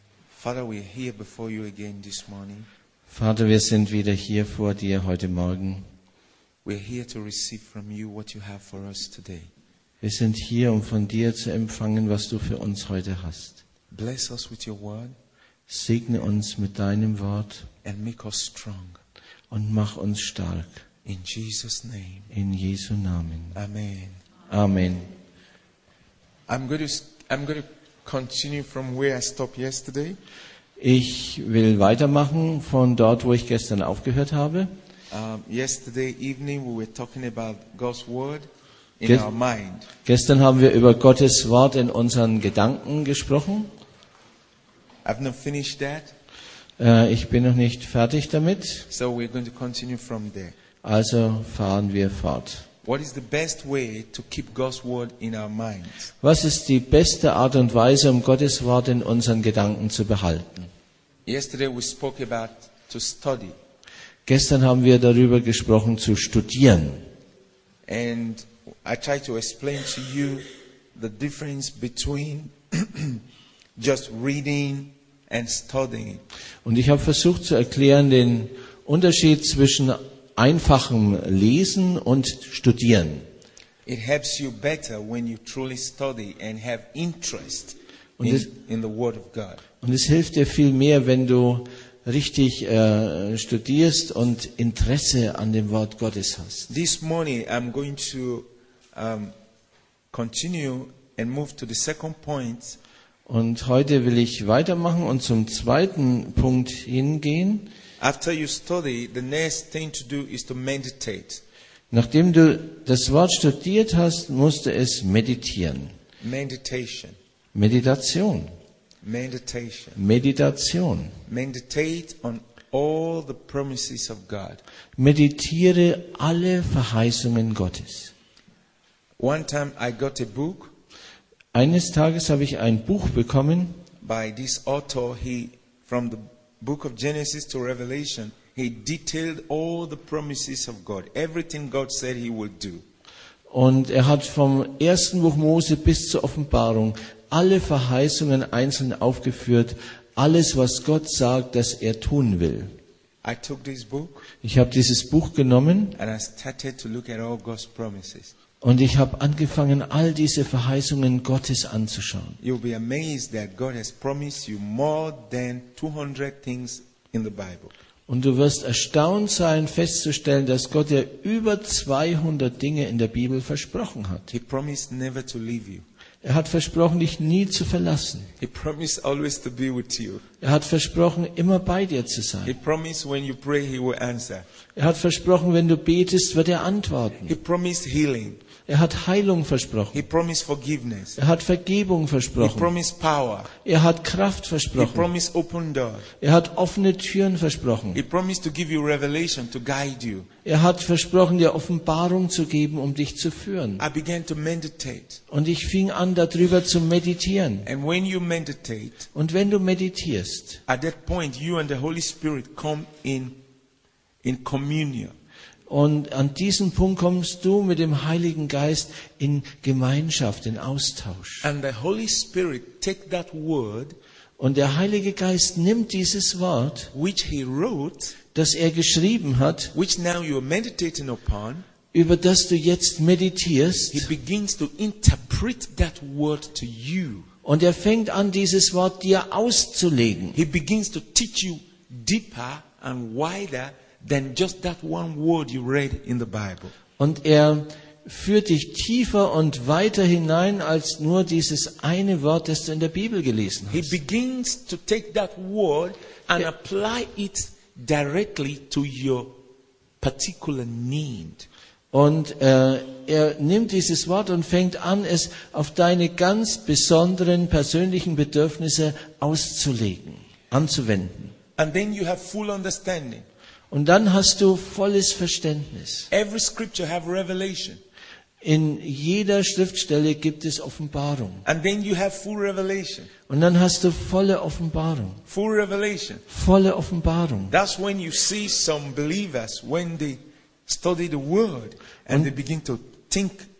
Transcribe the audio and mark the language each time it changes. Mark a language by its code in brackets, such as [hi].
[en] Father, we are here before you again this morning. [de] Vater, wir sind wieder hier vor dir heute Morgen. [en] We are here to receive from you what you have for us today. [de] Wir sind hier, um von dir zu empfangen, was du für uns heute hast. [en] Bless us with your word. [de] Segne uns mit deinem Wort. [en] And make us strong. [de] Und mach uns stark. [en] In Jesus' name. [de] In Jesu Namen. [en] Amen. [de] Amen. [en] I'm going to continue from where I stopped yesterday. [de] Ich will weitermachen von dort, wo ich gestern aufgehört habe. [en] Yesterday evening we were talking about God's word in our mind. [de] Gestern haben wir über Gottes Wort in unseren Gedanken gesprochen. [en] I've not finished that. [de] Ich bin noch nicht fertig damit. [en] So we're going to continue from there. [de] Also fahren wir fort. [en] What is the best way to keep God's word in our minds? [de] Was ist die beste Art und Weise, um Gottes Wort in unseren Gedanken zu behalten? [en] Yesterday we spoke about to study. [de] Gestern haben wir darüber gesprochen, zu studieren. [en] And I tried to explain to you the difference between just reading and studying. [de] Und ich habe versucht zu erklären den Unterschied zwischen einfachem Lesen und Studieren. [en] It helps you better when you truly study and have interest in the Word of God. [de] Und es hilft dir viel mehr, wenn du richtig studierst und Interesse an dem Wort Gottes hast. [en] This morning I'm going to continue and move to the second point. [de] Und heute will ich weitermachen und zum zweiten Punkt hingehen. [en] After you study, the next thing to do is to meditate. [de] Nachdem du das Wort studiert hast, musst du es meditieren. [en] Meditation. [de] Meditation. [en] Meditation. [de] Meditation. [en] Meditate on all the promises of God. [de] Meditiere alle Verheißungen Gottes. [en] One time I got a book. [de] Eines Tages habe ich ein Buch bekommen. [en] By this author, he from the Book of Genesis to Revelation, he detailed all the promises of God, everything God said he would do. [de] Und er hat vom ersten Buch Mose bis zur Offenbarung alle Verheißungen einzeln aufgeführt, alles was Gott sagt, dass er tun will. [en] I took this book. [de] Ich habe dieses Buch genommen. [en] And I started to look at all God's promises. [de] Und ich habe angefangen, all diese Verheißungen Gottes anzuschauen. [en] You'll be amazed that God has promised you more than 200 things in the Bible. [de] Und du wirst erstaunt sein, festzustellen, dass Gott dir über 200 Dinge in der Bibel versprochen hat. [en] He promised never to leave you. [de] Er hat versprochen, dich nie zu verlassen. [en] He promised always to be with you. [de] Er hat versprochen, immer bei dir zu sein. [en] He promised when you pray, he will answer. [de] Er hat versprochen, wenn du betest, wird er antworten. [en] He promised healing. [de] Er hat Heilung versprochen. [en] He promised forgiveness. [de] Er hat Vergebung versprochen. [en] He promised power. [de] Er hat Kraft versprochen. [en] He promised open doors. [de] Er hat offene Türen versprochen. [en] He promised to give you revelation to guide you. [de] Er hat versprochen, dir Offenbarung zu geben, um dich zu führen. [en] I began to meditate. [de] Und ich fing an, darüber zu meditieren. [en] And when you meditate, [de] und wenn du meditierst, [en] at that point you and the Holy Spirit come in communion. [de] Und an diesem Punkt kommst du mit dem Heiligen Geist in Gemeinschaft, in Austausch. [en] And the Holy Spirit take that word, [de] und der Heilige Geist nimmt dieses Wort, [en] which he wrote, [de] das er geschrieben hat, [en] which now you are meditating upon, [de] über das du jetzt meditierst, [en] he begins to interpret that word to you. [de] Und er fängt an, dieses Wort dir auszulegen. [en] He begins to teach you deeper and wider than just that one word you read in the Bible. [de] Und er führt dich tiefer und weiter hinein als nur dieses eine Wort, das du in der Bibel gelesen hast. [en] He begins to take that word and apply it directly to your particular need. [de] Und er nimmt dieses Wort und fängt an, es auf deine ganz besonderen persönlichen Bedürfnisse auszulegen, anzuwenden. [en] And then you have full understanding. [de] Und dann hast du volles Verständnis. [en] Every scripture have revelation. [de] In jeder Schriftstelle gibt es Offenbarung. [en] And then you have full revelation. [de] Und dann hast du volle Offenbarung. [en] Full revelation. [de] Volle Offenbarung. [en] That's when you see some believers when they study the word and they begin to think